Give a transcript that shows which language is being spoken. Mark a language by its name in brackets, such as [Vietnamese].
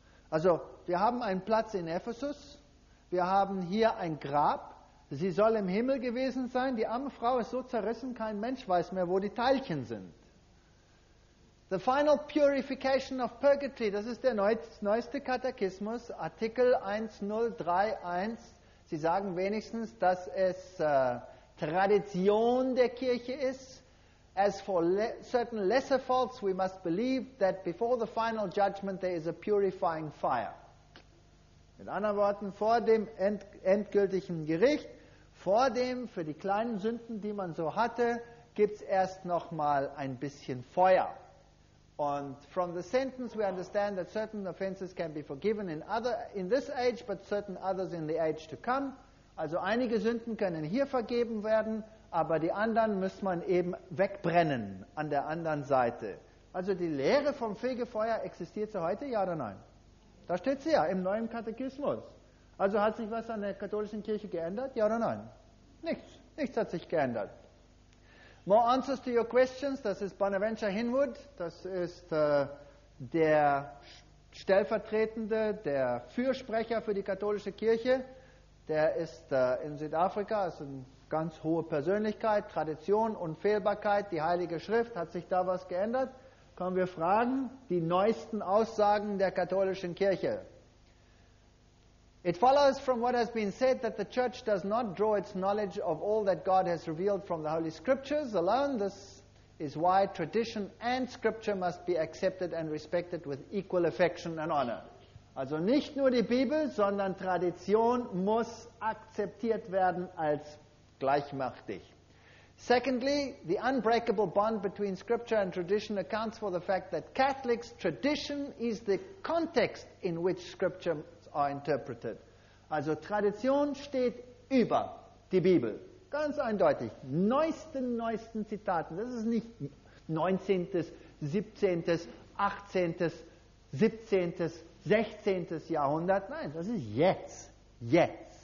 [German] Also wir haben einen Platz in Ephesus, wir haben hier ein Grab, sie soll im Himmel gewesen sein, die arme Frau ist so zerrissen, kein Mensch weiß mehr, wo die Teilchen sind. [English] The final purification of purgatory, [German] das ist der neueste Katechismus, Artikel 1031. Sie sagen wenigstens, dass es Tradition der Kirche ist. [English] As for certain lesser faults, we must believe that before the final judgment there is a purifying fire. [German] Mit anderen Worten, vor dem endgültigen Gericht, vor dem für die kleinen Sünden, die man so hatte, gibt es erst noch mal ein bisschen Feuer. [English] And from the sentence we understand that certain offenses can be forgiven in this age, but certain others in the age to come. [German] Also einige Sünden können hier vergeben werden, aber die anderen muss man eben wegbrennen an der anderen Seite. Also die Lehre vom Fegefeuer existiert sie heute, ja oder nein? Da steht sie ja, im neuen Katechismus. Also hat sich was an der katholischen Kirche geändert, ja oder nein? Nichts, nichts hat sich geändert. [English] More answers to your questions, [German] das ist Bonaventure Hinwood, das ist der Stellvertretende, der Fürsprecher für die katholische Kirche, der ist in Südafrika, ist eine ganz hohe Persönlichkeit, Tradition, Unfehlbarkeit, die Heilige Schrift, hat sich da was geändert? Können wir fragen, die neuesten Aussagen der katholischen Kirche. [English] It follows from what has been said that the church does not draw its knowledge of all that God has revealed from the Holy Scriptures alone. This is why tradition and scripture must be accepted and respected with equal affection and honor. [German] Also nicht nur die Bibel, sondern Tradition muss akzeptiert werden als gleichmächtig. [English] Secondly, the unbreakable bond between scripture and tradition accounts for the fact that Catholics' tradition is the context in which scripture are interpreted. [German] Also Tradition steht über die Bibel. Ganz eindeutig. Neuesten Zitaten. Das ist nicht 19., 17., 18., 17., 16. Jahrhundert. Nein, das ist jetzt. Jetzt.